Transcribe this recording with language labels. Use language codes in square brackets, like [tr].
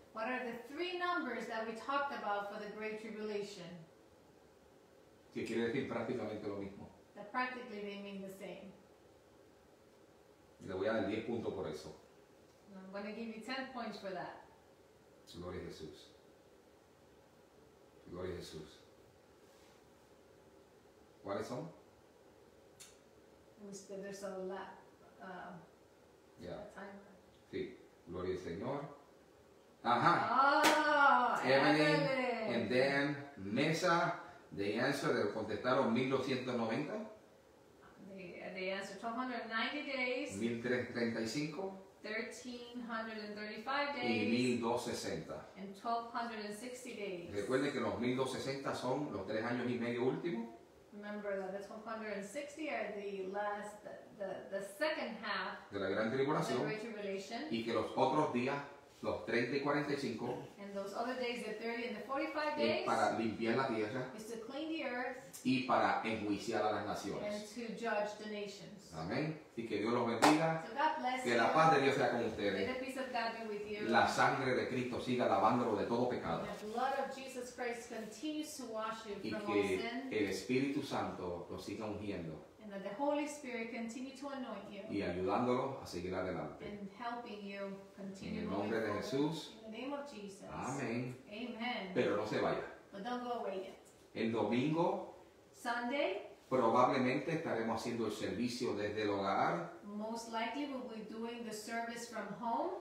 [en] What are the three numbers that we talked about for the great tribulation? [es] Que quiere decir prácticamente lo mismo. [en] That practically they mean the same. [es] Le voy a dar 10 puntos por eso. [en] I'm going to give you 10 points for that. [es] Gloria a Jesús. Gloria a Jesús. ¿Cuáles son? [en] There's a lot. Yeah. Time. Sí. Glory to the Lord. Aha. Oh, Evening. And then Mesa, the answer, they contestaron 1290. They answered 1290 days. [es] 1335. [en] 1335 days. [es] Y 1260. [en] And 1260 days. [es] Recuerden que los 1260 son los tres años y medio últimos. [en] Remember that the 1260 are the last, the second half [es] de la gran tribulación, [en] of the Great Tribulation. [es] Y que los otros días, los 30 y 45, [en] and those other days, the 30 and the 45 days, [es] es para limpiar la tierra, [en] is to clean the earth, [es] y para enjuiciar a las naciones, [en] and to judge the nations. [es] Amén. Y que Dios los bendiga. [en] So God bless [es] que [en] you. [es] La paz de Dios sea con ustedes. [en] May the peace of God be with you. [es] La sangre de Cristo siga lavándolo de todo pecado. [en] The blood of Jesus Christ continues to wash you from all sin. [es] Y que el Espíritu Santo lo siga ungiendo. [en] And that the Holy Spirit continue to anoint you. [es] Y ayudándolo a seguir adelante. [en] And helping you continue. [es] En el nombre de Jesús. [en] In the name of Jesus. [es] Amén. [en] Amen. [es] Pero no se vaya. [en] But don't go away yet. [es] El domingo. [en] Sunday. [es] Probablemente estaremos haciendo el servicio desde el hogar. [en] Most likely we'll be doing the service from home.